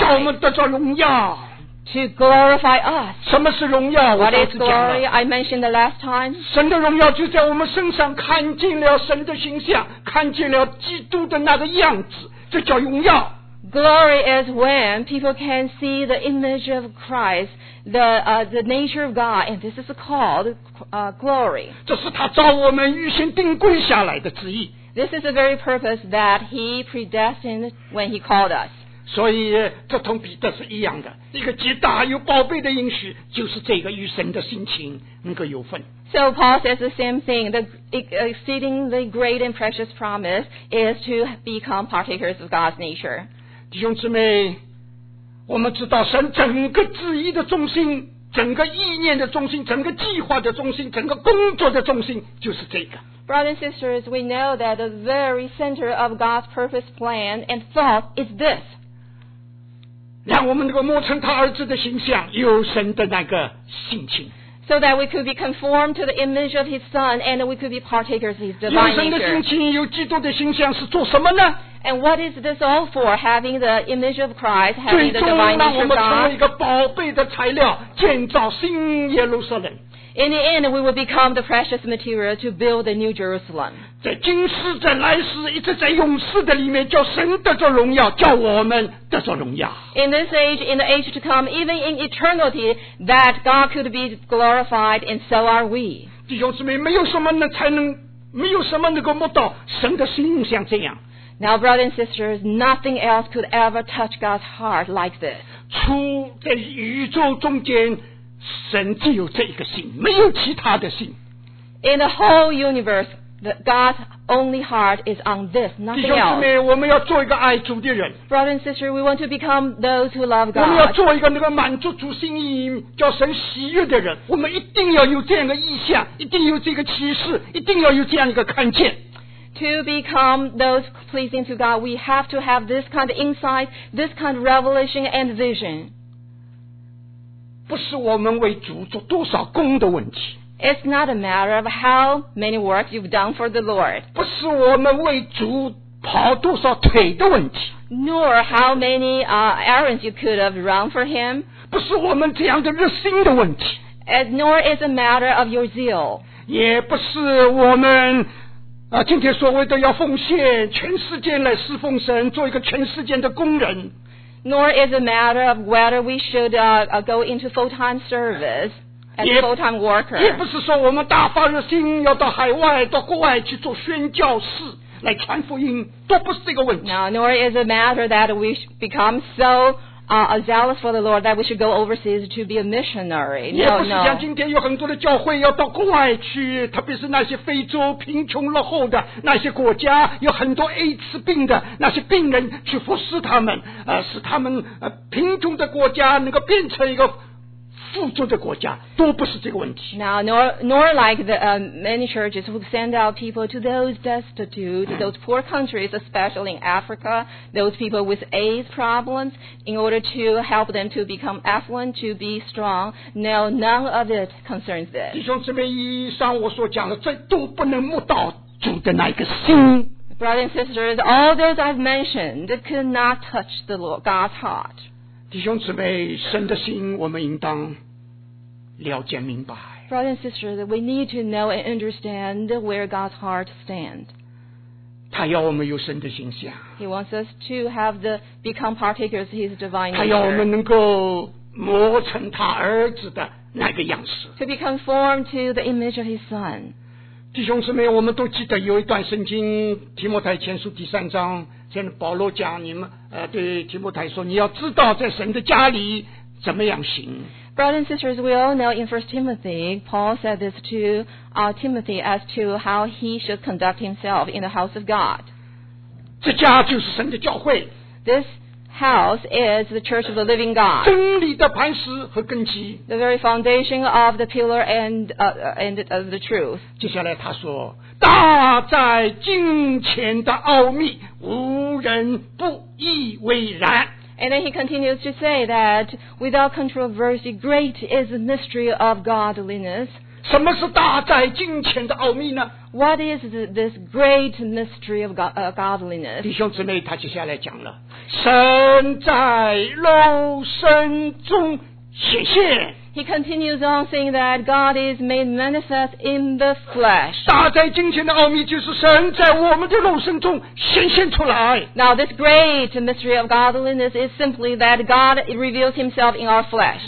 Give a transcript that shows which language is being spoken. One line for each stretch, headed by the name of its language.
Chinese: 叫我们得着荣耀。
English: To glorify us.
Chinese: 什么是荣耀？
English: What is glory? I mentioned the last time.
Chinese: 神的荣耀就在我们身上看见了神的形象，看见了基督的那个样子，这叫荣耀。
English: Glory is when people can see the image of Christ, the nature of God, and this is called glory.
Chinese: 这是他召我们预先定规下来的旨意。
English: This is the very purpose that he predestined when he called us.
Chinese: 所以这同彼得是一样的，一个极大有宝贝的应许，就是这个与神的性情能够有份。
English: So Paul says the same thing, the exceedingly great and precious promise is to become partakers of God's nature.
Chinese: 弟兄姊妹，我们知道神整个旨意的中心整个意念的中心，整个计划的中心，整个工作的中心就是这个。
English: Brothers and sisters, we know that the very center of God's purpose, plan, and thought is this.
Chinese: 让我们能够摸成他儿子的形象，有神的那个性情。
English: So that we could be conformed to the image of His Son, and we could be partakers of His divine nature.
Chinese: 有神的性情，有基督的形象是做什么呢？
English: And what is this all for? Having the image of Christ, having the divine nature of God.
Chinese: 最终让我们成为一个宝贝的材料，建造新耶路撒冷。
English: In the end, we will become the precious material to build the new Jerusalem.
Chinese: 在今世，在来世，一直在永世的里面，叫神得着荣耀，叫我们得着荣耀。
English: In this age, in the age to come, even in eternity, that God could be glorified, and so are we.
Chinese: 弟兄姊妹，没有什么能够摸到神的心像这样。
English: Now, brothers and sisters, nothing else could ever touch God's heart like this.
Chinese: 出在宇宙中间。神只有这一个心，没有其他的心。
English: In the whole universe, God's only heart is on this, nothing else.
Chinese: 弟兄姊妹，我们要做一个爱主的人。
English: Brothers and sisters, we want to become those who love God.
Chinese: 我们要做一个能够满足主心意、叫神喜悦的人。我们一定要有这样的意象，一定有这个启示，一定要有这样一个看见。
English: To become those pleasing to God, we have to have this kind of insight, this kind of revelation and vision.
Chinese: 不是我们为主做多少功的问题。
English: It's not a matter of how many works you've done for the Lord.
Chinese: 不是我们为主跑多少腿的问题。
English: Nor how many errands you could have run for him.
Chinese: 不是我们这样的热心的问题。
English: Nor is a matter of your zeal.
Chinese: 也不是我们今天所谓的要奉献全世界来侍奉神，做一个全世界的工人。
English: Nor is a matter of whether we should go into full-time service as a full-time worker.
Chinese: 也不是说我们大发热心要到海外、到国外去做宣教士来传福音，都不是这个问题。
English: No, nor is a matter that we become so zealous for the Lord that we should go overseas to be a missionary. No,
Chinese: 也不是像今天有很多的教会要到国外去，特别是那些非洲贫穷落后的那些国家，有很多 AIDS 病的那些病人去服侍他们，使他们贫穷的国家能够变成一个富足的国家，都不是这个问题。
English: Now, nor like the many churches who send out people to those destitute, those poor countries, especially in Africa, those people with AIDS problems, in order to help them to become affluent, to be strong. No, none of it concerns this.
Chinese: 弟兄姊妹，以上我所讲的，这都不能摸到主的那个心。
English: Brothers and sisters, all those I've mentioned could not touch the Lord, God's heart.
Chinese: 弟兄姊妹，神的心我们应当了解明白。
English: Brothers and sisters, we need to know and understand where God's heart stands.
Chinese: 他要我们有神的形象。
English: He wants us to become partakers of His divine nature.
Chinese: 他要我们能够磨成他儿子的那个样式。
English: To be conformed to the image of His Son.
Chinese: 弟兄姊妹，我们都记得有一段圣经，提摩太前书第三章。现在保罗讲你们对提摩太说，你要知道在神的家里怎么样行。
English: Brothers and sisters, we all know in 1 Timothy Paul said this to Timothy as to how he should conduct himself in the house of God.
Chinese: 这家就是神的教会。
English: This house is the church of the living God.
Chinese: 真理的磐石和根基。
English: The very foundation of the pillar and the truth.
Chinese: 接下来他说，大在金钱的奥秘，无人不以为然。
English: And then he continues to say that without controversy, great is the mystery of godliness.
Chinese: 什么是大在金钱的奥秘呢？
English: What is this great mystery of godliness?
Chinese: 弟兄姊妹，他接下来讲了，神在肉身中显现。
English: He continues on saying that God is made manifest in the flesh.
Chinese: 大在金钱的奥秘就是神在我们的肉身中显现出来。
English: Now this great mystery of godliness is simply that God reveals himself in our flesh.